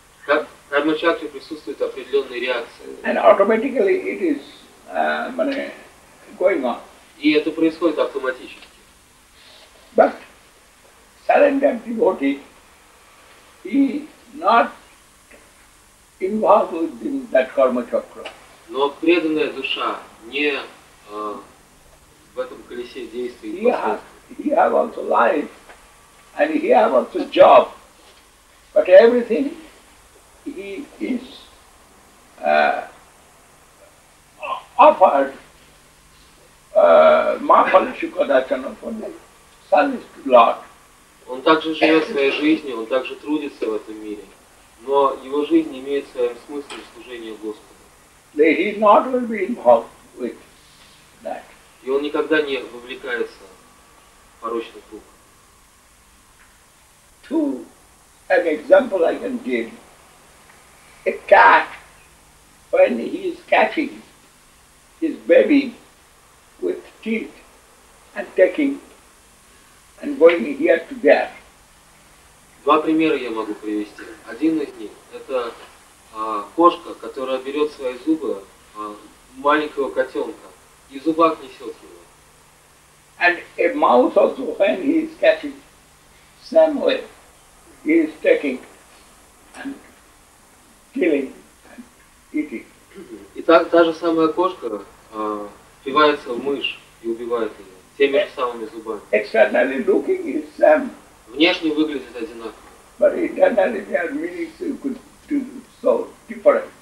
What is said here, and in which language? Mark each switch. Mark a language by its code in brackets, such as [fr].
[ru] Как в карма чакре присутствует определенная реакция. [en] And automatically it is going on. [ru] И это происходит автоматически. [en] But surrendered devotee he not involved in that karma chakra. [ru] Но преданная душа не в этом колесе действий и последствий. [en] He have also life, and he have also job. But everything he is offered Mahal Shukadachana for the service to Lord. [ru] Он также живет своей жизнью, он также трудится в этом мире. Но его жизнь имеет в своем смысле служение Господу. [en] He is not will be involved with that. [ru] И он никогда не вовлекается в порочный круг. [en] To an example I can give. A cat, when he is catching his baby with teeth and taking and going here to there. [ru] Два примера я могу привести. Один из них – это кошка, которая берет свои зубы маленького котенка и в зубах несет его. [en] And a mouse also, when he is catching, same way, he is taking and killing and eating. [ru] И так, та же самая кошка впивается в мышь и убивает ее теми же самыми зубами. [en] Externally looking is same. [ru] Внешне выглядит одинаково. [en] But internally there are meanings you could do so different.